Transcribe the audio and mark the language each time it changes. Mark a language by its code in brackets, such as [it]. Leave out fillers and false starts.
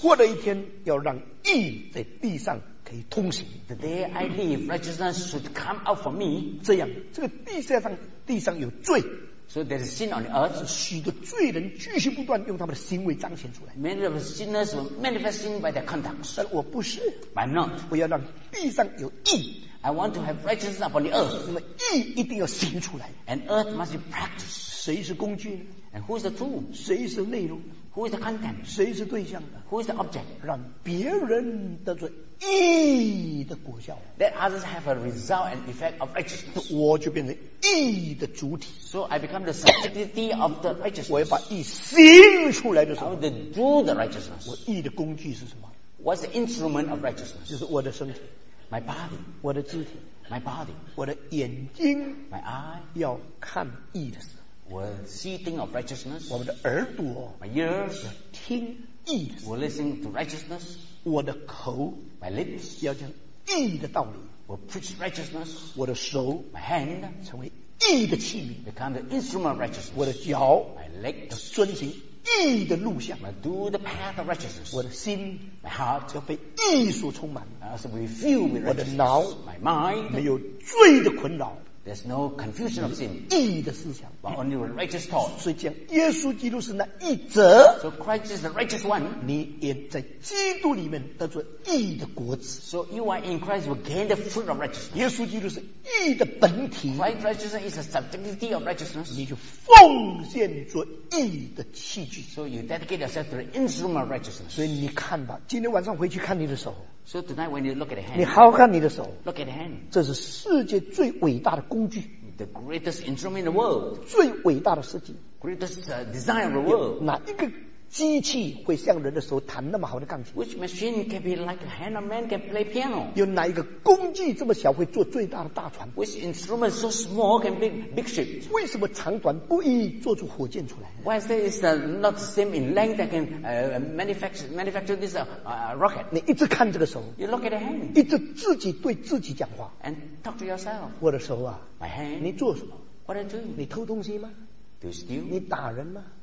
[zh] 我过了一天要让义在地上。可以通行。 [en] The day I leave, righteousness should come out for me. [zh] 这样，这个地上有罪。 [en] So there is sin on the earth. [zh] 许多罪人继续不断用他们的行为彰显出来。 [en] Many of the sinners were manifesting by their conduct. [zh] 但我不是。 [en] I'm not. [zh] 我要让地上有义。 [en] I want to have righteousness upon the earth. [zh] 那么义一定要行出来。 [en] And earth must be practiced. [zh] 谁是工具呢 [en] ？And who is the tool? [zh] 谁是内容？ [en] Who is the content? [zh] 谁是对象的 [en] ？Who is the object? [zh] 让别人得罪义的果效。 [en] Let others have a result and effect of righteousness. [zh] 我就变成义的主体。 [en] So I become the subject of the righteousness. [zh] 我要把义行出来的时候 [en] ，I want to do the righteousness. [zh] 我义的工具是什么 [en] ？What's the instrument of righteousness? [zh] 就是我的身体 [en] ，my body. [zh] 我的肢体 [en] ，my body. [zh] 我的眼睛 [en] ，my eye. [zh] 要看义的事。 [en] We'll see things of righteousness. [zh] 我们的耳朵 [en] My ears [zh] 要听义 [en] We'll listen to righteousness. [zh] 我的口 [en] My lips [zh] 要讲义的道理 [en] We'll preach righteousness. [zh] 我的手 [en] My hand [zh] 成为义的器皿 [en] Become the instrument of righteousness. [zh] 我的脚 [en] My leg [zh] 要遵循义的路向 [en] We'll do the path of righteousness. [zh] 我的心 [en] My heart [zh] 要被义所充满 [en] As we feel with righteousness. [zh] 我的脑 [en] My mind [zh] 没有罪的困扰 [en] There's no confusion of sin. [zh] 义的思想 [en] ，but only a righteous thought. [zh] 所以讲，耶稣基督是那义者。 [en] So Christ is the righteous one. [zh] 你也在基督里面得着义的果子。 [en] So you are in Christ, you gain the fruit of righteousness. [zh] 耶稣基督是义的本体。 [en] Christ righteousness is the subjectivity of righteousness. [zh] 你就奉献做义的器具。 [en] So you dedicate yourself to the instrument of righteousness. [zh] 所以你看吧，今天晚上回去看你的手。 [en] So tonight when you look at the hand, [zh] 你好看你的手 [en] look at the hand, [zh] 这是世界最伟大的工具 [en] the greatest instrument in the world, [zh] 最伟大的设计 [en] greatest design of the world, [zh] 哪一个机器会像人的手弹那么好的钢琴 [en] which machine can be like a hand of man can play piano, [zh] 有哪一个工具这么小会做最大的大船 [en] which instrument so small can be big ship, [zh] 为什么长短不一做出火箭出来 [en] why is it is not the same in length that can manufacture this rocket, [zh] 你一直看这个手 [en] you look at the hand, [zh] 一直自己对自己讲话 [en] and talk to yourself, [zh] 我的手啊 [en] my hand, [zh] 你做什么 [en] what are you doing, [zh] 你偷东西吗 [en] do you steal, [zh] 你打人吗